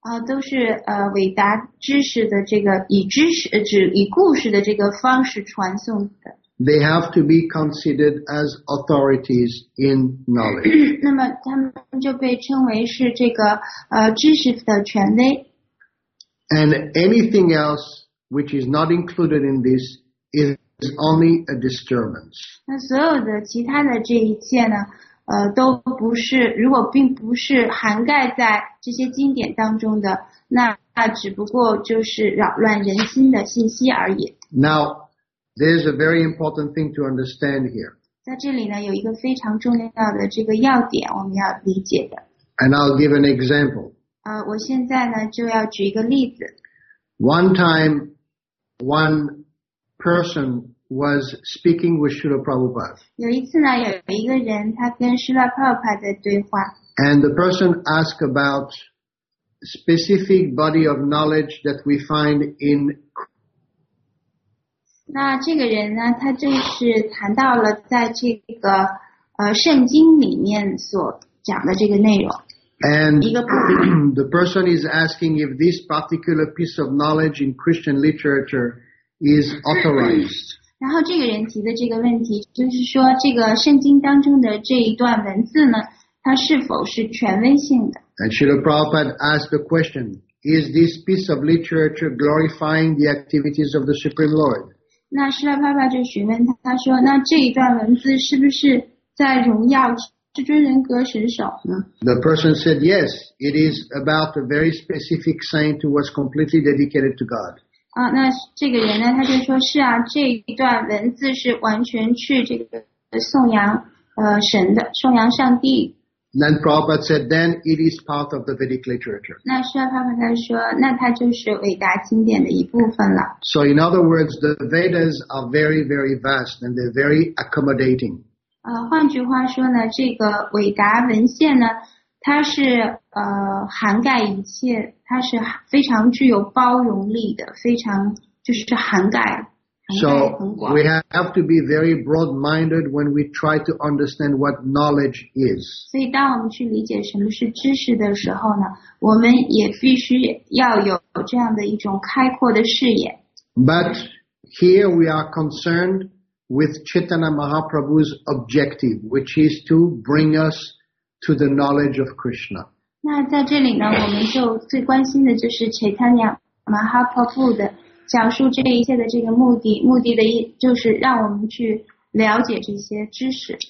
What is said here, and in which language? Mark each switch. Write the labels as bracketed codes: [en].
[zh] 都是伟达知识的这个以知识指以故事的这个方式传送的。 [en] They have to be considered as authorities in knowledge. [zh] 那么他们就被称为是这个知识的权威。 [en] And anything else which is not included in this is. Is only a disturbance. [zh] 那所有的其他的这一切呢，都不是，如果并不是涵盖在这些经典当中的，那只不过就是扰乱人心的信息而已。 [en] Now, there's a very important thing to understand here. [zh] 在这里呢，有一个非常重要的这个要点，我们要理解的。 [en] And I'll give an example. [zh] 我现在呢就要举一个例子。 [en] One time, one. Person was speaking with Srila Prabhupada. [zh] 有一次呢，有一个人他跟 Srila Prabhupada 在对话。 [en] And the person asked about specific body of knowledge that we find in. [zh] 那这个人呢，他正是谈到了在这个圣经里面所讲的这个内容。 [en] And the person is asking if this particular piece of knowledge in Christian literature. Is authorized. [zh] 然后这个人提的这个问题就是说这个圣经当中的这一段文字呢它是否是权威性的 [en] And Srila Prabhupada asked the question, is this piece of literature glorifying the activities of the Supreme Lord? [zh] 那 Srila Prabhupada 就询问他说那这一段文字是不是在荣耀至尊人格神首呢 [en] The person said, yes, it is about a very specific saint who was completely dedicated to God. [zh] 那这个人呢他就说是啊这一段文字是完全去这个颂扬神的颂扬上帝。 [en] Then Prabhupada said, then it is part of the Vedic literature. [zh] 那Srila Prabhupada说那它就是伟大经典的一部分了。 [en] So in other words, the Vedas are very, very vast and they're very accommodating. [zh] 换句话说呢这个伟达文献呢它是涵盖一切它是非常具有包容力的非常就是涵盖很广。 [en] So we have to be very broad-minded when we try to understand what knowledge is. [zh] 所以当我们去理解什么是知识的时候呢我们也必须要有这样的一种开阔的视野。 [en] But here we are concerned with Chaitanya Mahaprabhu's objective, which is to bring us to the knowledge of Krishna. [zh] 那在这里呢我们就最关心的就是 Chaitanya Mahaprabhu 的讲述这一切的这个目的目的的就是让我们去了解这些知识。